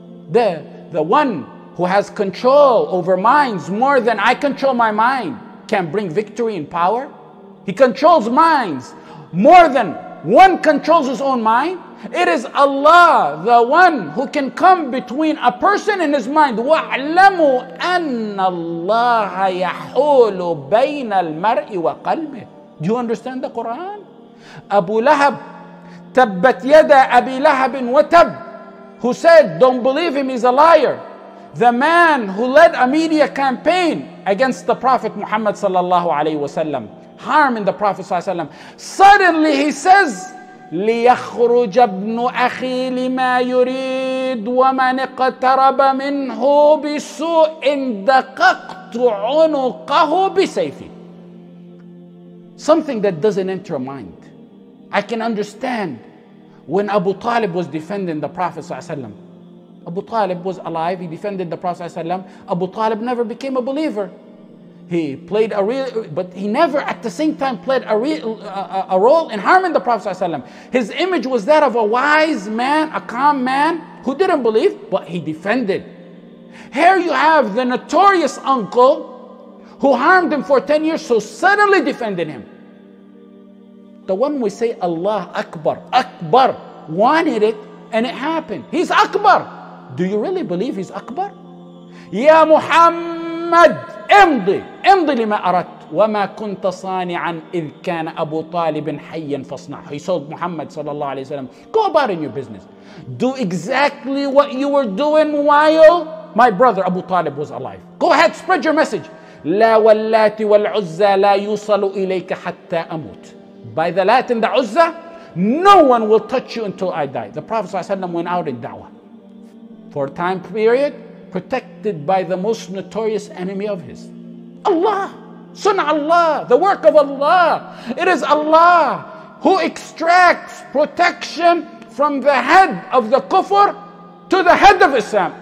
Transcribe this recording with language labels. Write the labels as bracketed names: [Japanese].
[English] The one who has control over minds more than I control my mind can bring victory and power. He controls minds more than one controls his own mind. It is Allah, the one who can come between a person and his mind. [Arabic] وَاعْلَمُوا أَنَّ اللَّهَ يَحُولُ بَيْنَ الْمَرْءِ وَقَلْبِهِ. [English] Do you understand the Quran? Abu Lahab, [Arabic] تَبَّتْ يَدَى أَبِي لَهَبٍ وَتَبْ, [English] who said, don't believe him, he's a liar. The man who led a media campaign against the Prophet Muhammad sallallahu alayhi wasallam, harming the Prophet sallallahu alayhi wasallam. Suddenly he says, [Arabic] ليخرج ابن أخي لما يريد ومن اقترب منه بسوء دققت عنقه بسيفي. [English] Something that doesn't enter a mind. I can understand when Abu Talib was defending the Prophet ﷺ. Abu Talib was alive, he defended the Prophet ﷺ. Abu Talib never became a believer. He played a real, but he never at the same time played a role in harming the Prophet ﷺ. His image was that of a wise man, a calm man, who didn't believe, but he defended. Here you have the notorious uncle who harmed him for 10 years, so suddenly defended him. The one we say, Allah Akbar, wanted it and it happened. He's Akbar. Do you really believe he's Akbar? [Arabic] Ya Muhammad, امضي لما أردت وما كنت صانعا إذ كان أبو طالب حيا فاصنع. [English] He told Muhammad sallallahu alayhi wa sallam, go about in your business. Do exactly what you were doing while my brother Abu Talib was alive. Go ahead, spread your message. [Arabic] لا واللات والعزة لا يوصل إليك حتى أموت. [English] By the Lat and the Uzza, no one will touch you until I die. The Prophet sallallahu alayhi wa sallam went out in da'wah for a time period, protected by the most notorious enemy of his. Allah, Sun Allah, the work of Allah. It is Allah who extracts protection from the head of the kufr to the head of Islam.